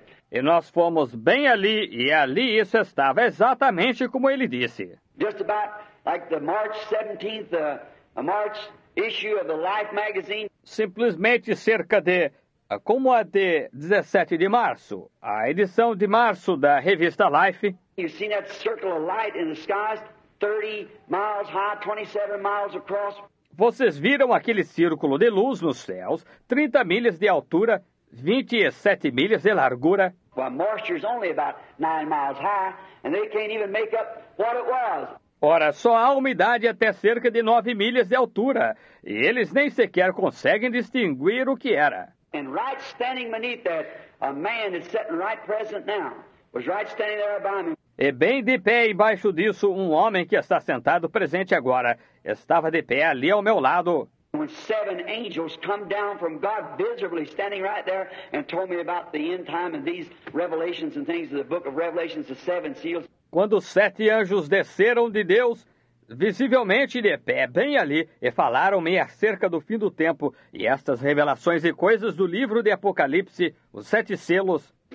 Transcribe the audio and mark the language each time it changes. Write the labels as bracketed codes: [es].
[pt] E nós fomos bem ali, e ali isso estava exatamente como ele disse. [en] Just about like the March 17th, March issue of the Life magazine. [pt] Simplesmente cerca de, como a de 17 de março, a edição de março da revista Life. [en] You've seen that circle of light in the skies, 30 miles high, 27 miles across. [pt] Vocês viram aquele círculo de luz nos céus, 30 milhas de altura, 27 milhas de largura. [en] Well, moisture is only about 9 miles high, and they can't even make up what it was. [pt] Ora, só há umidade até cerca de 9 milhas de altura, e eles nem sequer conseguem distinguir o que era. [en] And right standing beneath that, a man that's sitting right present now, was right standing there by me. [pt] E bem de pé embaixo disso, um homem que está sentado presente agora, estava de pé ali ao meu lado. [en] When 7 angels come down from God visibly standing right there and told me about the end time and these revelations and things of the book of Revelations, the 7 seals. [pt] Quando 7 anjos desceram de Deus, visivelmente de pé, bem ali, e falaram-me acerca do fim do tempo, e estas revelações e coisas do livro de Apocalipse, os 7 selos.